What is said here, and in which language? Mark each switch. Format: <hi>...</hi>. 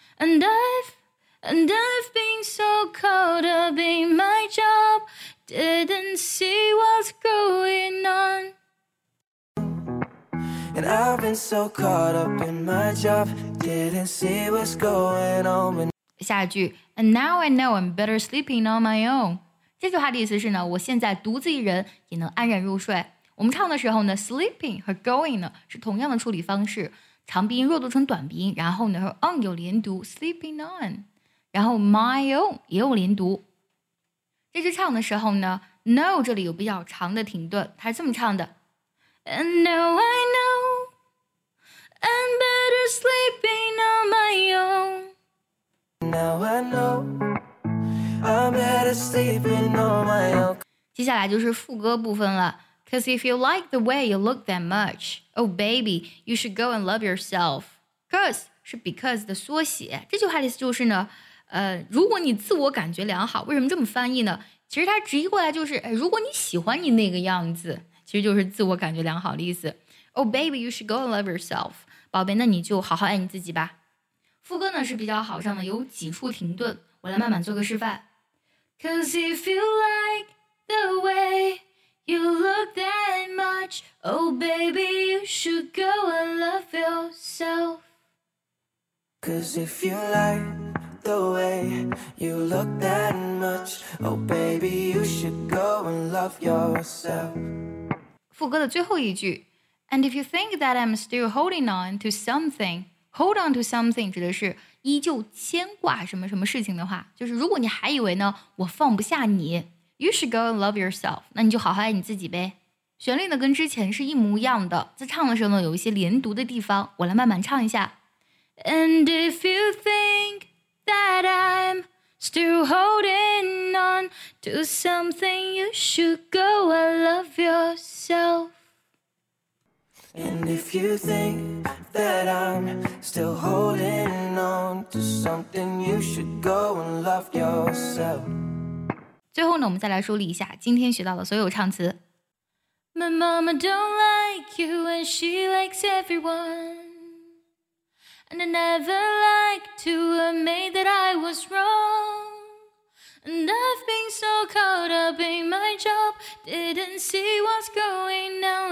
<en>：And I've been so caught up in my job, didn't see what's going on. And I've been so caught up in my job, didn't see what's going on.</en> <zh>下一句</zh> <en>，And now I know I'm better sleeping on my own.</en> <zh>这句话的意思是呢，我现在独自一人也能安然入睡。我们唱的时候呢 ，sleeping 和 going 呢是同样的处理方式，长鼻音弱读成短鼻音，然后呢和 on 有连读 ，sleeping on， 然后 my own 也有连读。这支唱的时候呢 ，no 这里有比较长的停顿，它是这么唱的</zh> <en>：And now I know I'm better sleeping on my own. Now I know I'm better sleeping on my own.</en> <zh>接下来就是副歌部分了。</zh> <en>Cause if you like the way you look that much, oh baby, you should go and love yourself.</en> <zh>Cause 是 because 的缩写。这句话的意思就是呢，如果你自我感觉良好，为什么这么翻译呢？其实它直译过来就是，如果你喜欢你那个样子，其实就是自我感觉良好的意思。</zh> <en>Oh baby, you should go and love yourself.</en> <zh>宝贝，那你就好好爱你自己吧。副歌呢是比较好唱的，有几处停顿，我来慢慢做个示范。</zh> <en>Cause if you like the way. You look that much, oh baby, you should go and love yourself. Cause if you like the way you look that much, oh baby, you should go and love yourself.</en> <zh>副歌的最后一句</zh> <en>And if you think that I'm still holding on to something,</en> <zh>hold on to something 指的是依旧牵挂什么什么事情的话，就是如果你还以为呢我放不下你，</zh> <en>You should go and love yourself,</en> <zh>那你就好好爱你自己呗。旋律呢跟之前是一模一样的，在唱的时候呢有一些连读的地方，我来慢慢唱一下。</zh> <en>And if you think that I'm still holding on to something, you should go and love yourself. And if you think that I'm still holding on to something, you should go and love yourself.</en> <zh>最后呢我们再来梳理一下今天学到的所有唱词。</zh> <en>My mama don't like you and she likes everyone. And I never liked to admit that I was wrong. And I've been so caught up in my job, didn't see what's going on.</en>